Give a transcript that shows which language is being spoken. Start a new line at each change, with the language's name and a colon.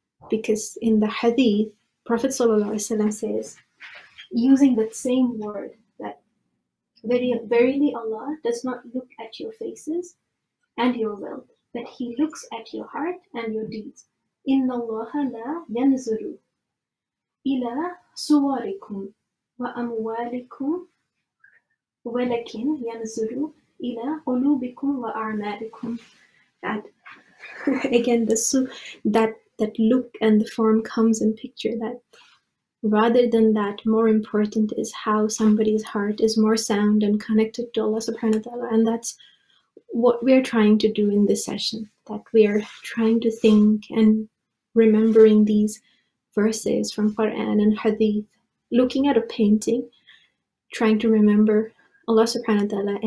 English: Because in the hadith, Prophet ﷺ says, using that same word, that verily Allah does not look at your faces and your wealth, but he looks at your heart and your deeds.
Arabic: Inna Allaha la yanzuru إلى صوركم وأموالكم ولكن ينزل إلى قلوبكم وأعمالكم.
English: Again, that look and the form comes in picture, that rather than that, more important is how somebody's heart is more sound and connected to Allah subhanahu wa ta'ala. And that's what we are trying to do in this session, that we are trying to think and remembering these verses from Quran and Hadith, looking at a painting, trying to remember Allah subhanahu wa ta'ala.